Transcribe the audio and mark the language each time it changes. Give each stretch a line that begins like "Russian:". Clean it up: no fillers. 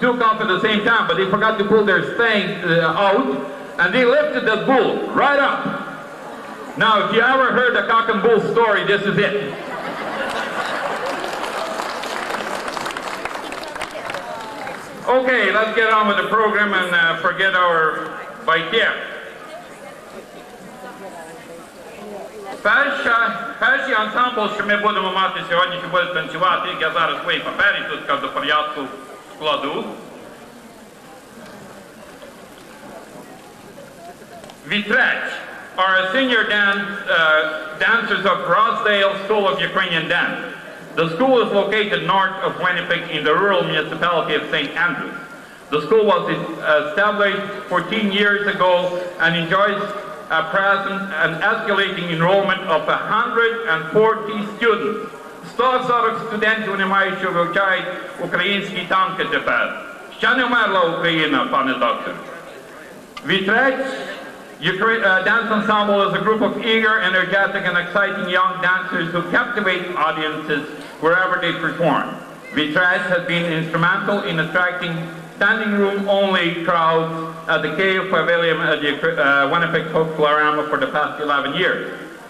English: took off at the same time, but they forgot to pull their thing out, and they lifted the bull right up. Now, if you ever heard a cock and bull story, this is it. Okay, let's get on with the program and forget our bite there.
Ukrainian: Перші ансамбл, що ми будемо мати сьогодні, що буде танцювати, я зараз свої папері тут до порядку складу.
English: Вітреч are a senior dance, dancers of Rosdale School of Ukrainian Dance. The school is located north of Winnipeg in the rural municipality of St. Andrews. The school was established 14 years ago and enjoys a present and escalating enrollment of 140 students.
Ukrainian: 140 студентів не мають, що вивчають українські танки тепер. Ще не вмерла Україна, пане доктор.
English: Вітреч Dance Ensemble is a group of eager, energetic, and exciting young dancers who captivate audiences wherever they perform. Vitresh has been instrumental in attracting standing room only crowds at the Cave Pavilion at the Winnipeg Folklorama for the past 11 years.